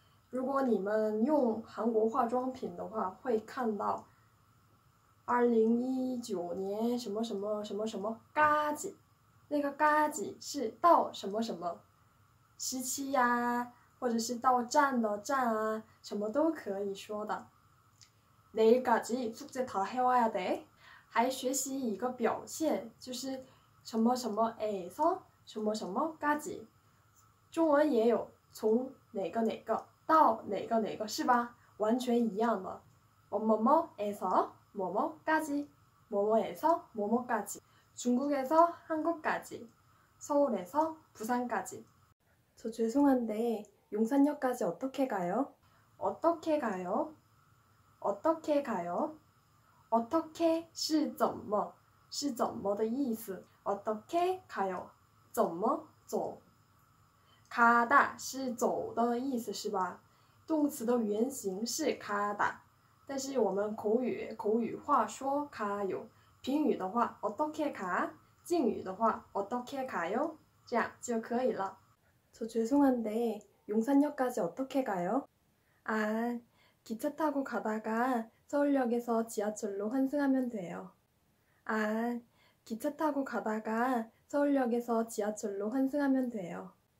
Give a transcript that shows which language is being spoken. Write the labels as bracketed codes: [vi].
[zh] 如果你们用韩国化妆品的话，会看到2019年什么什么什么什么嘎吉，那个嘎吉是到什么什么时期呀，或者是到站的站啊，什么都可以说的。 [ko] 내일까지 숙제 다 해와야 돼. [zh] 还学习一个表现，就是什么什么에서什么什么까지。中文也有从哪个哪个到哪个哪个，是吧？完全一样的。 [ko] 뭐뭐뭐에서뭐뭐까지，뭐뭐에서뭐뭐까지，중국에서한국까지，서울에서부산까지。 저 죄송한데 용산역까지 어떻게 가요? 어떻게 가요？ 어떻게 가요？ [zh] 어떻게 是怎么的意思？ [ko] 어떻게 가요？ [zh] 怎么走？가다 是走的意思，是吧？动词的原型是가다，但是我们口语化说가요，平语的话 [ko] 어떻게 가？ [zh] 敬语的话 [ko] 어떻게 가요？ [zh] 这样就可以了。 [ko] 저 죄송한데 용산역까지 어떻게 가요? 아, 기차 타고 가다가 서울역에서 지하철로 환승하면 돼요. 아, 기차 타고 가다가 서울역에서 지하철로 환승하면 돼요.